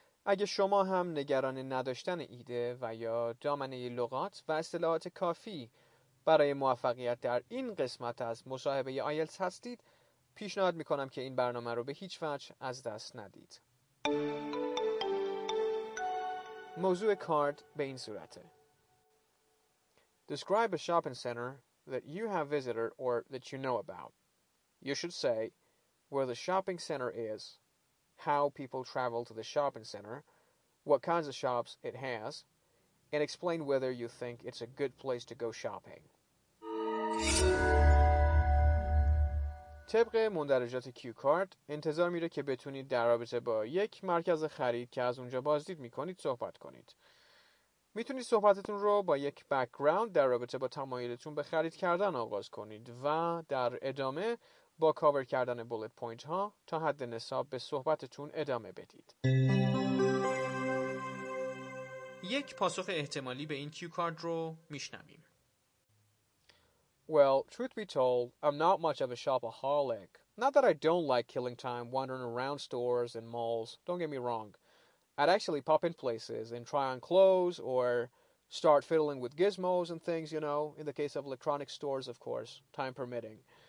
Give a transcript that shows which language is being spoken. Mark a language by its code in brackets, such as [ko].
[fa] اگه شما هم نگران نداشتن ایده و یا دامنه لغات و اصطلاحات کافی برای موفقیت در این قسمت از مصاحبه آیلتس هستید، پیشنهاد میکنم که این برنامه رو به هیچ وجه از دست ندید. موضوع کارت به این صورته: [en] Describe a shopping center that you have visited or that you know about. You should say where the shopping center is, how people travel to the shopping center, what kinds of shops it has, and explain whether you think it's a good place to go shopping. [fa] طبق مندرجات کیو کارت انتظار میره که بتونید در رابطه با یک مرکز خرید که از اونجا بازدید میکنید صحبت کنید. میتونید صحبتتون رو با یک بک‌گراند در رابطه با تمایلتون به خرید کردن آغاز کنید و در ادامه با کاور کردن بولت پوینت ها تا حد نصاب به صحبتتون ادامه بدید. یک پاسخ احتمالی به این کیو کارت رو میشنویم. [en] Well, truth be told, I'm not much of a shopaholic. Not that I don't like killing time wandering around stores and malls, don't get me wrong. I'd actually pop in places and try on clothes or start fiddling with gizmos and things, you know, in the case of electronic stores, of course, time permitting.